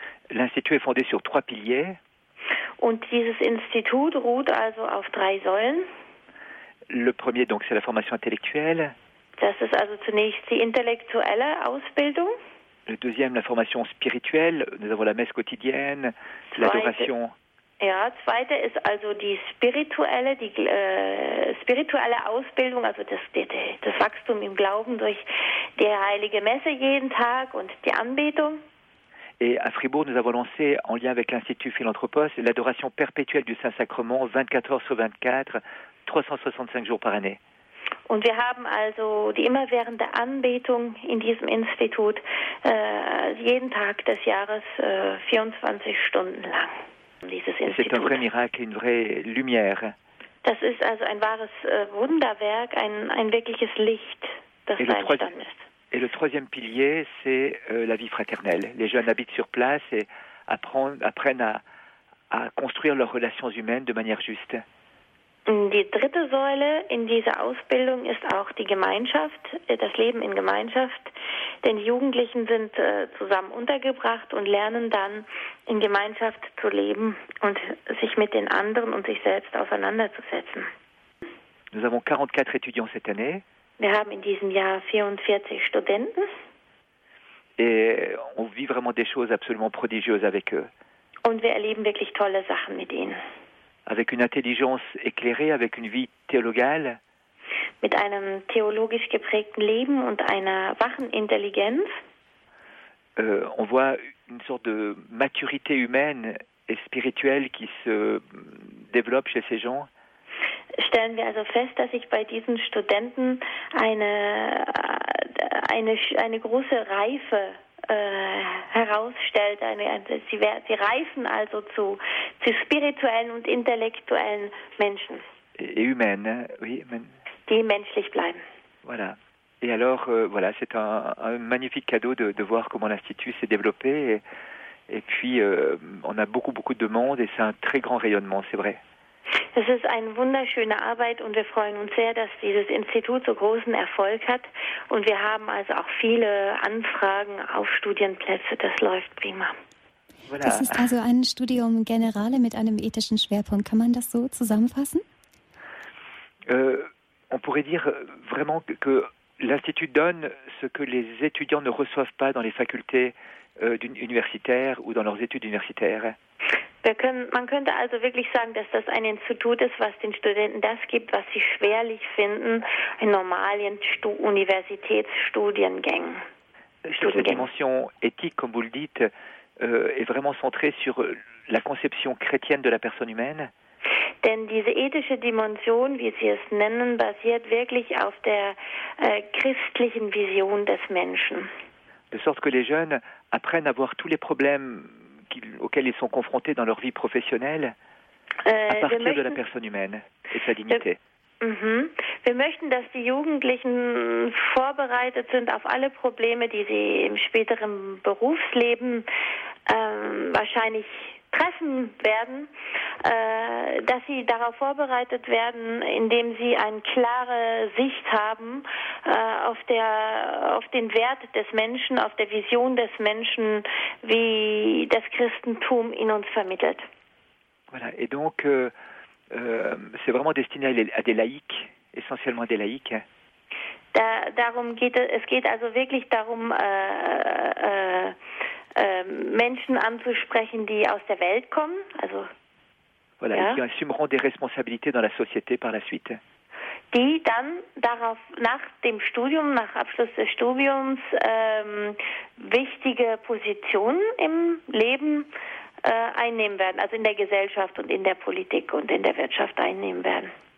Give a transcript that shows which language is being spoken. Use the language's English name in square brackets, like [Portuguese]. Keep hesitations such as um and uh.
[French] L'Institut est fondé sur trois piliers. [German] Und dieses Institut ruht also auf drei Säulen. [French] Le premier, donc, c'est la formation intellectuelle. [German] Das ist also zunächst die intellektuelle Ausbildung, [French] Le deuxième, la formation spirituelle. Nous avons la messe quotidienne, [German] Zweite. [French] l'adoration. [German] Ja, zweite ist also die spirituelle, die äh, spirituelle Ausbildung, also das, die- die- das Wachstum im Glauben durch die heilige Messe jeden Tag und die Anbetung. [French] Et à Fribourg, nous avons lancé, en lien avec l'Institut Philanthropos, l'adoration perpétuelle du Saint-Sacrement 24 heures sur 24, 365 jours par année. [German] Und wir haben also die immerwährende Anbetung in diesem Institut äh, jeden Tag des Jahres äh, 24 Stunden lang. Dieses [French] Et C'est un [German] Institut. [French] vrai miracle, une vraie lumière. [German] Das ist also ein wahres äh, Wunderwerk, ein, ein wirkliches Licht, das Ist da es trotz- entstanden ist. [French] Et le troisième pilier, c'est euh, la vie fraternelle. Les jeunes habitent sur place et apprennent, apprennent à, à construire leurs relations humaines de manière juste. [German] Die dritte Säule in dieser Ausbildung ist auch die Gemeinschaft, äh, das Leben in Gemeinschaft. Denn die Jugendlichen sind äh, zusammen untergebracht und lernen dann in Gemeinschaft zu leben und sich mit den anderen und sich selbst auseinanderzusetzen. [French] Nous avons 44 étudiants cette année [German] Wir haben in diesem Jahr 44 Studenten [French] et on vit vraiment des choses absolument prodigieuses avec eux. [German] und wir erleben wirklich tolle Sachen mit ihnen. [French] Avec une intelligence éclairée, avec une vie théologale, [German] Mit einem theologisch geprägten Leben und einer wachen Intelligenz [French] euh, on voit une sorte de maturité humaine et spirituelle qui se développe chez ces gens. [German] stellen wir also fest, dass sich bei diesen Studenten eine, äh, eine, sch- eine große Reife äh, herausstellt. Eine, eine- sie, wer- sie reifen also zu, zu spirituellen und intellektuellen Menschen, [French] et et humaine, hein, oui, humaine. [German] die menschlich bleiben. [French] voilà. Et alors, euh, voilà, c'est un, un magnifique cadeau de, de voir comment l'Institut s'est développé. Et, et puis, euh, on a beaucoup, beaucoup de demandes et c'est un très grand rayonnement, c'est vrai. [German] Es ist eine wunderschöne Arbeit und wir freuen uns sehr, dass dieses Institut so großen Erfolg hat. Und wir haben also auch viele Anfragen auf Studienplätze. Das läuft prima. [French] Voilà. [German] Das ist also ein Studium Generale mit einem ethischen Schwerpunkt. Kann man das so zusammenfassen? [French] Euh, on pourrait dire euh, vraiment que, que l'Institut donne ce que les étudiants ne reçoivent pas dans les facultés euh, d'uni- universitaires ou dans leurs études universitaires. [German] Wir können, man könnte also wirklich sagen, dass das ein Institut ist, was den Studenten das gibt, was sie schwerlich finden in normalen Stu Universitätsstudiengängen. [French] Toute cette dimension éthique, comme vous le dites, euh, est vraiment centrée sur euh, la conception chrétienne de la personne humaine. [German] Denn diese ethische Dimension, wie Sie es nennen, basiert wirklich auf der äh, christlichen Vision des Menschen. [French] de sorte que les jeunes apprennent à voir tous les problèmes qu'ils- auxquels ils sont confrontés dans leur vie professionnelle à [German] Äh, wir [French] partir de la [German] möchten [French] personne humaine et de sa dignité. Mhm. [German] Wir möchten, dass die Jugendlichen vorbereitet sind auf alle Probleme, die sie im späteren Berufsleben ähm, wahrscheinlich treffen werden, äh, dass sie darauf vorbereitet werden, indem sie eine klare Sicht haben äh, auf, der, auf den Wert des Menschen, auf der Vision des Menschen, wie das Christentum in uns vermittelt. [French] Voilà, et donc euh, euh, c'est vraiment destiné à, les- à des laïcs, essentiellement des laïcs. hein. [German] Da, darum geht es, es geht also wirklich darum, äh, äh, äh, Menschen anzusprechen, die aus der Welt kommen, also [French] Voilà, [German] Ja. [French] et qui assumeront des responsabilités dans la société par la suite. [German] die dann darauf nach dem Studium, nach Abschluss des Studiums ähm, wichtige Positionen im Leben äh, einnehmen werden, also in der Gesellschaft und in der Politik und in der Wirtschaft einnehmen werden.